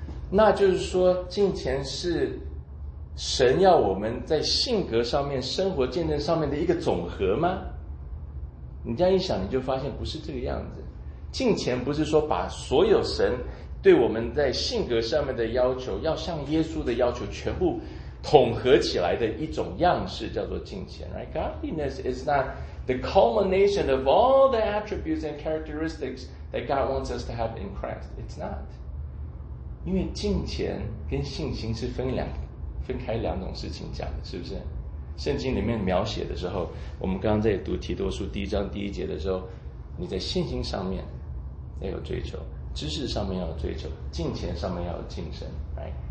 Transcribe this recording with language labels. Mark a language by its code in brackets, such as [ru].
[zh] 那就是说敬虔是神要我们在性格上面、生活见证上面的一个总和吗？你这样一想，你就发现不是这个样子。敬虔不是说把所有神对我们在性格上面的要求，要像耶稣的要求全部统合起来的一种样式叫做敬虔， right? [en] Godliness is not the culmination of all the attributes and characteristics that God wants us to have in Christ. It's not. [zh] 因为敬虔跟信心是分开两种事情讲的，是不是？圣经里面描写的时候，我们刚刚在读提多书第一章第一节的时候，你在信心上面要有追求，知识上面要有追求，敬虔上面要有敬神， right?